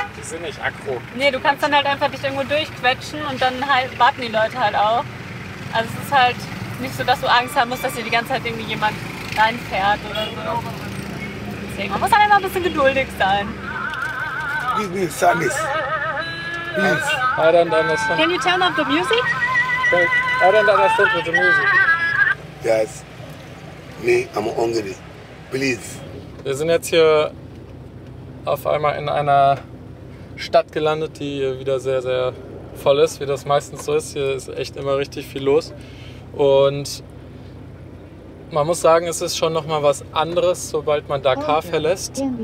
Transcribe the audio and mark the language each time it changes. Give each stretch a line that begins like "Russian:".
German: die sind nicht aggro. Nee, du kannst dann halt einfach dich irgendwo durchquetschen und dann halt warten die Leute halt auch. Also es ist halt nicht so, dass du Angst haben musst, dass hier die ganze Zeit irgendwie jemand reinfährt oder so. Deswegen, man muss halt immer ein bisschen geduldig sein. Wie sagen es?
English: Please. I don't understand. Can you turn off the music? Okay. I don't understand with the music. Yes. Me, I'm hungry. Please.
German: Wir sind jetzt hier auf einmal in einer Stadt gelandet, die wieder sehr, sehr voll ist, wie das meistens so ist. Hier ist echt immer richtig viel los. Und man muss sagen, es ist schon nochmal was anderes, sobald man Dakar verlässt.